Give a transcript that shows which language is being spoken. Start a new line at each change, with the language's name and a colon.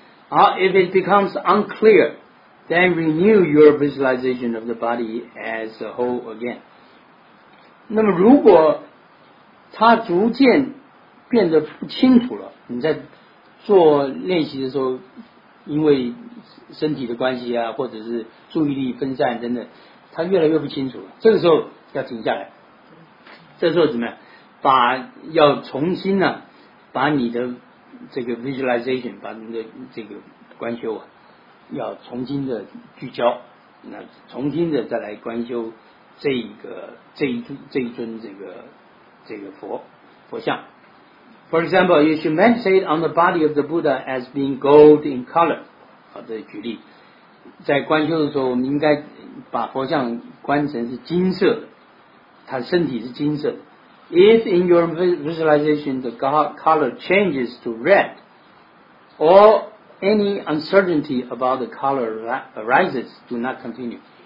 English: 好 ，if it becomes unclear, then renew your visualization of the body as a whole again.
Chinese: 那么，如果它逐渐变得不清楚了，你在做练习的时候，因为身体的关系啊，或者是注意力分散等等，它越来越不清楚了。这个时候要停下来。这时候怎么样？把要重新呢、啊，把你的这个 visualization， 把你的这个观修啊，要重新的聚焦，那重新的再来观修这一尊这个佛像。
English: For example, you should meditate on the body of the Buddha as being gold in color。
Chinese: 好的，举例，在观修的时候，我们应该把佛像观成是金色的，他身体是金色的。
English: If in your visualization the color changes to red, or any uncertainty about the color arises, do not continue.